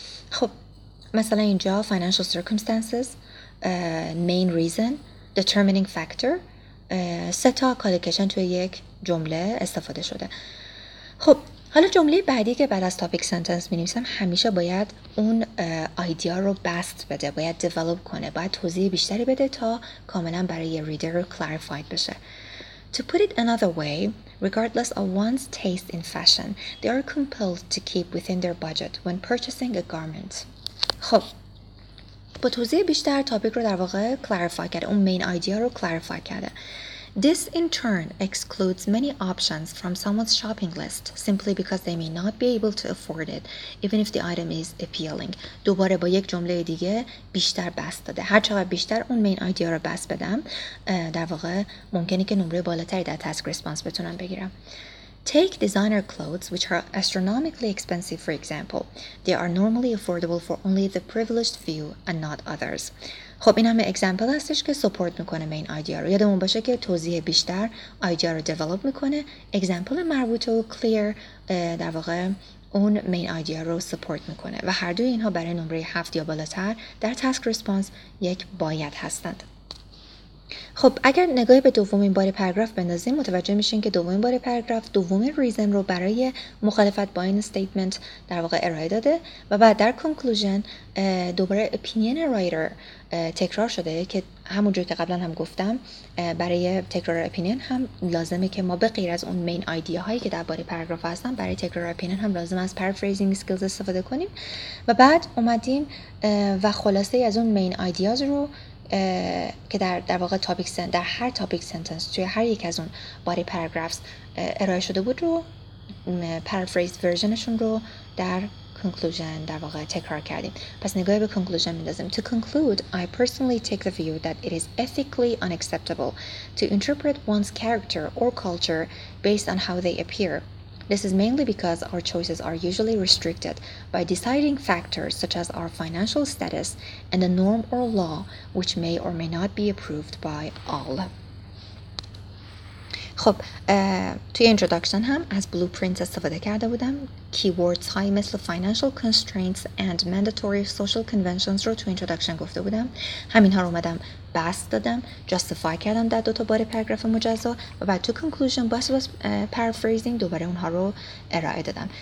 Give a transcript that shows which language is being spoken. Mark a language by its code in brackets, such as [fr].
[fa] خب مثلا اینجا [en] financial circumstances, main reason, determining factor, [fa] سه تا کالیکیشن توی یک جمله استفاده شده. خب حالا جمله بعدی که بعد از topic sentence می نویسم همیشه باید اون ایده رو بست بده، باید develop کنه، باید توضیح بیشتری بده تا کاملا برای یه reader clarified بشه. [en] To put it another way, regardless of one's taste in fashion, they are compelled to keep within their budget when purchasing a garment. [fa] خب با توضیح بیشتر topic رو در واقع clarify کرده، اون main ایده رو clarify کرده. [en] This in turn excludes many options from someone's shopping list simply because they may not be able to afford it even if the item is appealing. [fa] دوباره با یک جمله دیگه بیشتر بس داده. هر چقدر بیشتر اون مین آیدیا رو بس بدم در واقع ممکنه که نمره بالاتری در تاسک ریسپانس بتونم بگیرم. [en] Take designer clothes which are astronomically expensive for example. They are normally affordable for only the privileged few and not others. [fa] خب این همه اگزمپل هستش که سپورت میکنه مین ایدیا رو. یادمون باشه که توضیح بیشتر ایدیا رو دیولوب میکنه. اگزمپل مربوط و کلیر در واقع اون مین ایدیا رو سپورت میکنه. و هر دوی اینها برای نمره 7 یا بالاتر در تاسک ریسپانس یک باید هستند. خب اگر نگاهی به دومین بار پاراگراف بندازیم متوجه میشین که دومین بار پاراگراف دومین ریزن رو برای مخالفت با این استیتمنت در واقع ارائه داده و بعد در کنکلوژن دوباره اپینین رایتر تکرار شده که همونجوری که قبلا هم گفتم برای تکرار اپینین هم لازمه که ما به غیر از اون مین ایده هایی که در بار پاراگراف هستن برای تکرار اپینین هم لازم از پارافریزینگ اسکیلز استفاده کنیم و بعد اومدیم و خلاصه از اون مین ایدیاز رو که در واقع تاپیک سن در هر تاپیک سنتنس توی هر یک از اون باری پاراگرافس ارائه شده بود رو پارافریز ورژنشون رو در کنکلوژن در واقع تکرار کردیم. پس نگاهی به کنکلوژن می‌ندازیم. [en] To conclude, I personally take the view that it is ethically unacceptable to interpret one's character or culture based on how they appear. This is mainly because our choices are usually restricted by deciding factors such as our financial status and the norm or law which may or may not be approved by all. [fa] خب توی introduction هم از blueprint استفاده کرده بودم. [en] Keywords [fa] های مثل [en] financial constraints and mandatory social conventions [fa] رو توی [en] introduction [fa] گفته بودم. همین ها رو اومدم بس دادم. Justify کردم در دوتا بار پاراگراف مجزا و بعد توی conclusion باز paraphrasing دوباره اونها رو ارائه دادم.